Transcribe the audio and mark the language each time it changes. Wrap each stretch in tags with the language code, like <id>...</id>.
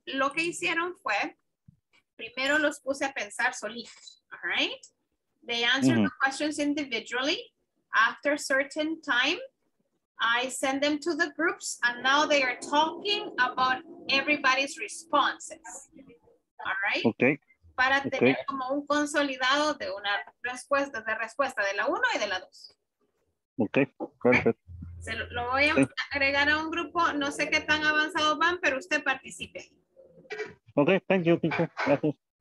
<es>Lo que hicieron fue, primero los puse a pensar solitos, all right?</es> <en>They answered the questions individually. After a certain time, I send them to the groups, and now they are talking about everybody's responses. All right? Okay.</en> <es>Para tener como un consolidado de una respuesta, de respuesta de la uno y de la dos. Okay, perfecto. Se lo voy a agregar a un grupo. No sé qué tan avanzado van, pero usted participe.</es> <en>Ok, thank you, teacher.</en> <es>Gracias.</es>